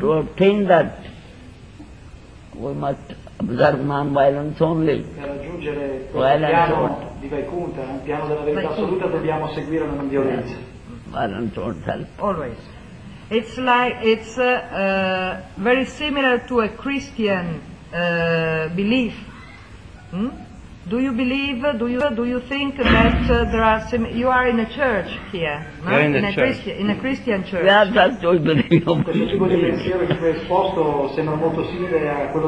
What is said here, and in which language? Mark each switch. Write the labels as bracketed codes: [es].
[en] To obtain that, we must observe non-violence only. [it] Per raggiungere il piano di Vaikuntha, il piano della verità assoluta, dobbiamo seguire la non violenza. [en] Violence won't help. Always. It's like, it's very similar to a Christian belief. Hmm? Do you believe, do you think that there are some, you are in a church here, in a Christian church. Yeah, that's what we believe. [it] Questo tipo di pensiero che tu hai esposto sembra molto simile a quello